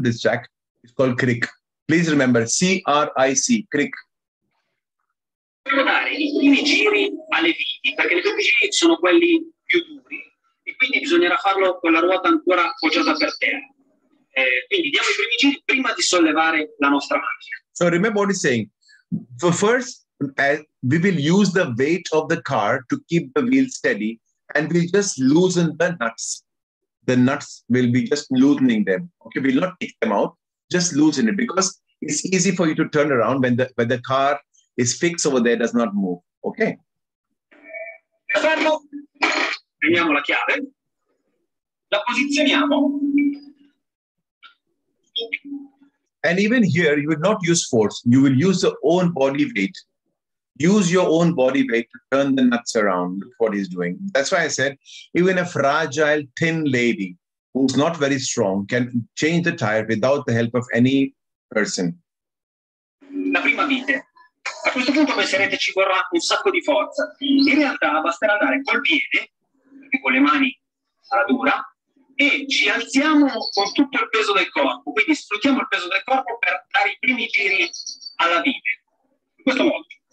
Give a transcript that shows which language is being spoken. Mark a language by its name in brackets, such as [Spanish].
[English] This jack is called crick. Please remember, C-R-I-C, crick. [Italian] Dobbiamo dare i primi giri alle viti, perché le primi giri sono quelli più duri e quindi bisognerà farlo con la ruota ancora poggiata per terra. Quindi diamo i primi giri prima di sollevare la nostra macchina. [English] So remember what he's saying. For first, we will use the weight of the car to keep the wheel steady and we'll just loosen the nuts. The nuts will be just loosening them. Okay, we'll not take them out, just loosen it because it's easy for you to turn around when the car is fixed over there, does not move. Okay. [Italian] Prendiamo la chiave, la posizioniamo. [English] And even here, you will not use force. You will use your own body weight. Use your own body weight to turn the nuts around. Look what he's doing. That's why I said, even a fragile, thin lady who's not very strong can change the tire without the help of any person. [Italian] La prima vite. A questo punto penserete ci vorrà un sacco di forza. In realtà basterà andare col piede, con le mani alla dura, e ci alziamo con tutto il peso del corpo. Quindi sfruttiamo il peso del corpo per dare i primi giri alla vite. In questo modo.